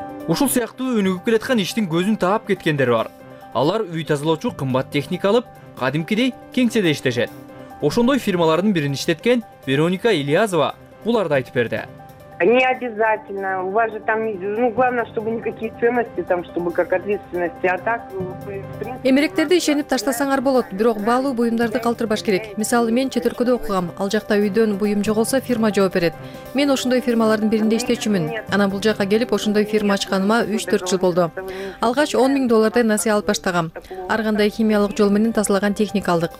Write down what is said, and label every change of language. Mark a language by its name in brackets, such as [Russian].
[Kyrgyz] Ушул сыяктуу өнүгүп келаткан иштин көзүн таап кеткендер бар. Алар үй тазалоочу кымбат техника алып, кадимкидей кеңседе иштешет. Ошондой фирмалардын бирин иштеткен Вероника Ильязова буларды айтып берди. [Russian] Не обязательно. У вас же там, ну, главное, чтобы никакие ценности там, чтобы как ответственности, а так, в [Kyrgyz] принципе. Эмеректерди ишенип таштасаңар болот, бирок баалуу буюмдарды калтырбаш керек. Мисалы, мен чет өлкөдө окугам. Ал жакта үйдөн буюм жоголсо, фирма жооп берет. Мен ошондой фирмалардын биринде иштечүмүн. Анан бул жака келип, ошондой фирма ачканыма 3-4 жыл болду. Алгач 10,000 доллардай насыя алып баштагам. Ар кандай химиялык жол менен тазалаган техника алдык.